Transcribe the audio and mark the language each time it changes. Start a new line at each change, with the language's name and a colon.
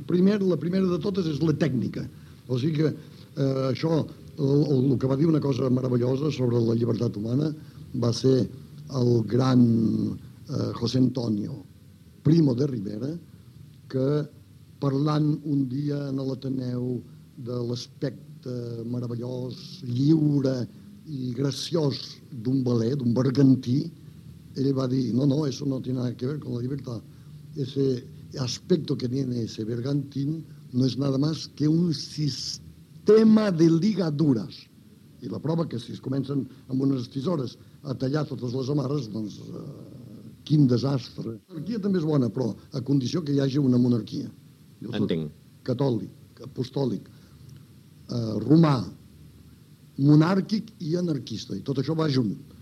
Catalan: La primera de totes és la tècnica. O sigui que això, el que va dir una cosa meravellosa sobre la llibertat humana va ser el gran José Antonio Primo de Rivera, que parlant un dia en l'Ateneu de l'aspecte meravellós, lliure i graciós d'un baler, d'un bergantí, ell va dir, no,
Spanish: eso no tiene nada que ver con la libertad. Ese aspecto que tiene ese bergantín no es nada más que un sistema de ligaduras.
Catalan: I la prova que si es comencen amb unes tisores a tallar totes les amarres, doncs quin desastre. La monarquia també és bona, però a condició que hi hagi una monarquia. Entenc. Catòlic, apostòlic, romà, monàrquic i anarquista. I tot això va junt.